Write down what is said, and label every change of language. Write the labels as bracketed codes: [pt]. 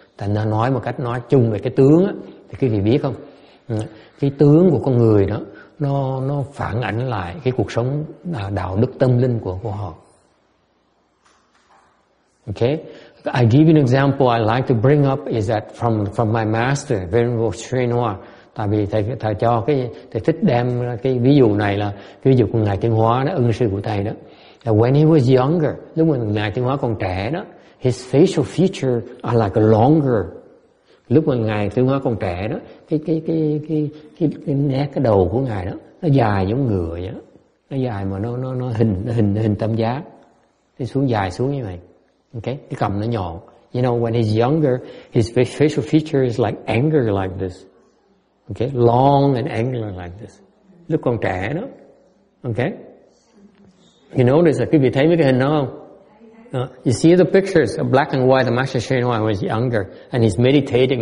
[vi] Tại nên nói một cách nói chung về cái tướng á, thì quý vị biết không? Cái tướng của con người đó, nó phản ảnh lại cái cuộc sống đạo đức tâm linh của họ. [en] Okay, I give you an example I like to bring up is that from my master Venerable Sri Noa. [vi] Tại vì thầy cho cái thầy thích đem cái ví dụ này là cái ví dụ của ngài Tiên Hóa đó, ân sư của thầy đó. [en] When he was younger, [vi] lúc mà ngài Tiên Hóa còn trẻ đó, [en] his facial feature are like longer. [vi] Lúc mà ngài Tiên Hóa còn trẻ đó, cái nét cái đầu của ngài đó nó dài giống ngựa vậy, nó dài mà nó hình tam giác, nó xuống dài xuống như vậy. Okay, cái cằm nó nhỏ. [en] You know, when he's younger, his facial feature is like anger like this. Okay, long and angular like this. [vi] Lúc còn trẻ đó. [en] Okay. You notice [vi] là quý vị thấy mấy cái hình đó không? [en] You see the pictures, black and white, the Master Shen Huang was younger and he's meditating.